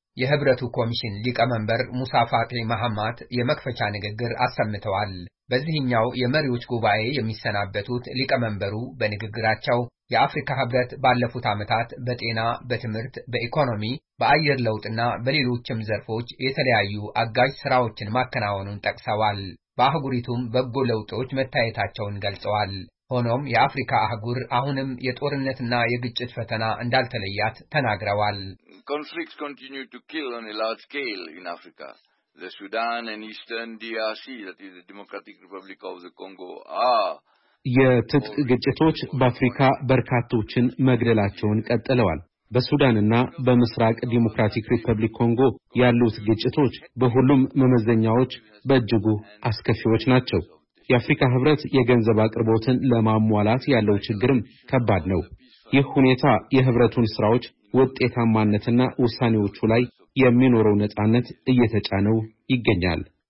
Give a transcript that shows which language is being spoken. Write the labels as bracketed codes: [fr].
[am] የህብረቱ ኮሚሽን ሊቀመንበር ሙሳ ፋቂ መሐማድ የመክፈቻ ንግግር አሰምተዋል። በዚህኛው የመሪዎች ጉባኤ የሚሰናበቱት ሊቀመንበሩ በንግግራቸው የአፍሪካ ህብረት ባለፉት ዓመታት በጤና፣ በትምህርት፣ በኢኮኖሚ፣ በአየር ለውጥና በሌሎችም ዘርፎች የተለያዩ አጋዥ ሥራዎችን ማከናወኑን ጠቅሰዋል። በአህጉሪቱም በጎ ለውጦች መታየታቸውን ገልጸዋል። ሆኖም የአፍሪካ አህጉር አሁንም የጦርነትና የግጭት ፈተና እንዳልተለያት ተናግረዋል። [en] Conflicts continue to kill on a large scale in Africa. The Sudan and Eastern DRC, that is the Democratic Republic of the Congo, are... [am] የትጥቅ ግጭቶች በአፍሪካ በርካቶችን መግደላቸውን ቀጥለዋል። በሱዳንና በመስራቅ ዲሞክራቲክ ሪፐብሊክ ኮንጎ ያሉት ግጭቶች በሁሉም መመዘኛዎች በእጅጉ አስከፊዎች ናቸው። የአፍሪካ ህብረት የገንዘብ አቅርቦትን ለማሟላት ያለው ችግርም ከባድ ነው። ይህ ሁኔታ የህብረቱን ስራዎች ውጤታማነትና ውሳኔዎቹ ላይ የሚኖረው ነጻነት እየተጫነው ይገኛል።